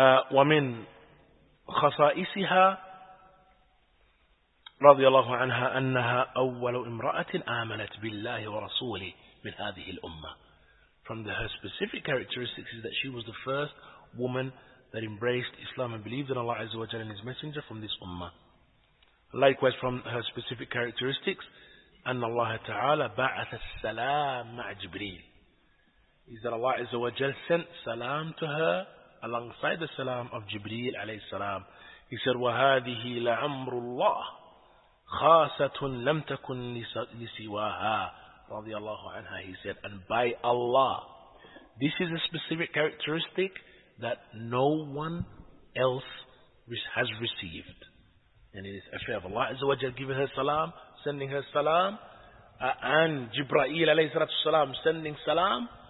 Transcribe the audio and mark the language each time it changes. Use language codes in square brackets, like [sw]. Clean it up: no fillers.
[ar] ومن خصائصها رضي الله عنها أنها أول امرأة آمنت بالله ورسوله من هذه الأمة. [en] From her specific characteristics is that she was the first woman that embraced Islam and believed in Allah Azza wa Jalla and His Messenger from this Ummah. Likewise, from her specific characteristics, [ar] أن الله تعالى بعث السلام مع جبريل. [en] Is that Allah Azza wa Jalla sent salam to her alongside the salam of Jibreel alayhi salam. He said, [ar] وهذه لعمر الله خاصة لم تكن لسواها رضي الله عنها. [en] He said, and by Allah, this is a specific characteristic that no one else has received. And it is a fair of Allah Azza wa Jalla giving her salam, sending her salam, and Jibreel alayhi salatu salam sending salam.